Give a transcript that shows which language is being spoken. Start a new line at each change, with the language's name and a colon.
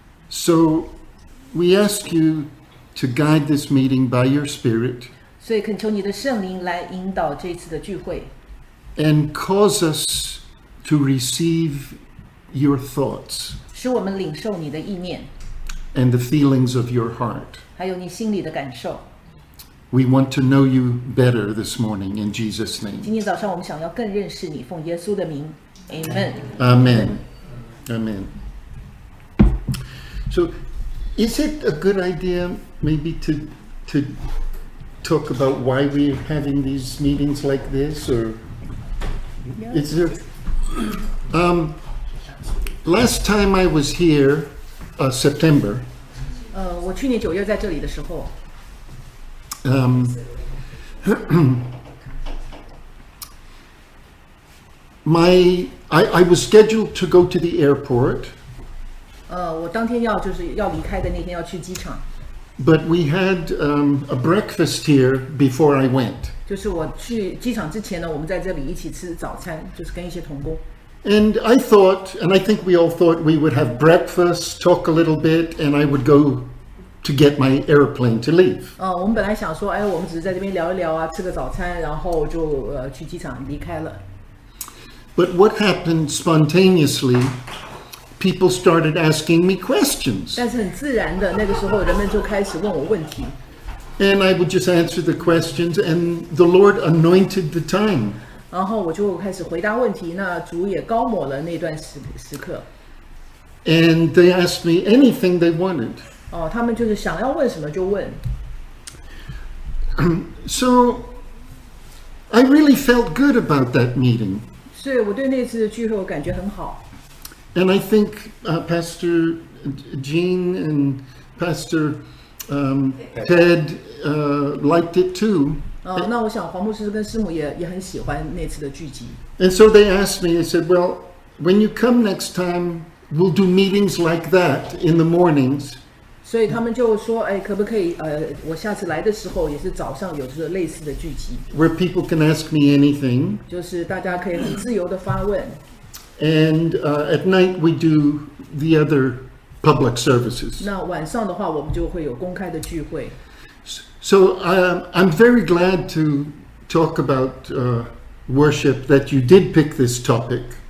English: so we ask you to guide this meeting by your spirit.
Chinese: 所以恳求你的圣灵来引导这次的聚会,
English: and cause us to receive your thoughts.
Chinese: 使我们领受你的意念,
English: and the feelings of your heart.
Chinese: 还有你心里的感受,
English: we want to know you better this morning in Jesus' name.
Chinese: 今天早上我们想要更认识你, 奉耶稣的名, Amen.
English: Amen. Amen. So, is it a good idea maybe to talk about why we're having these meetings like this, or is there, last time I was here, September,
Chinese: 我去年九月在这里的时候,
English: I was scheduled to go to the airport.
Chinese: 我当天要离开的那天要去机场,
English: but we had a breakfast here before I went.
Chinese: 就是我去机场之前呢，我们在这里一起吃早餐，就是跟一些同工。
English: And I thought, and I think we all thought, we would have breakfast, talk a little bit, and I would go to get my airplane to leave.
Chinese: 我们本来想说，哎，我们只是在这边聊一聊啊，吃个早餐，然后就去机场离开了。
English: But what happened spontaneously? People started asking me questions.
Chinese: 但是很自然的, 那个时候人们就开始问我问题。
English: And I would just answer the questions, and the Lord anointed the time.
Chinese: 然后我就开始回答问题, 那主也高抹了那段时刻。
English: And they asked me anything they wanted.
Chinese: 哦, 他们就是想要问什么就问。
English: So, I really felt good about that meeting.
Chinese: 所以我对那次聚会我感觉很好。
English: And I think Pastor Jean and Pastor Ted liked it too.
Chinese: 那我想黄牧师跟师母也很喜欢那次的聚集。
English: And so they asked me, they said, well, when you come next time, we'll do meetings like that in the mornings.
Chinese: 所以他们就说，哎，可不可以，我下次来的时候也是早上有这类似的聚集。
English: Where people can ask me anything.
Chinese: 就是大家可以很自由地发问。
English: And at night we do the other public services.
Chinese: 那晚上的话，我们就会有公开的聚会。
English: So I'm very glad to talk about worship that you did pick this topic.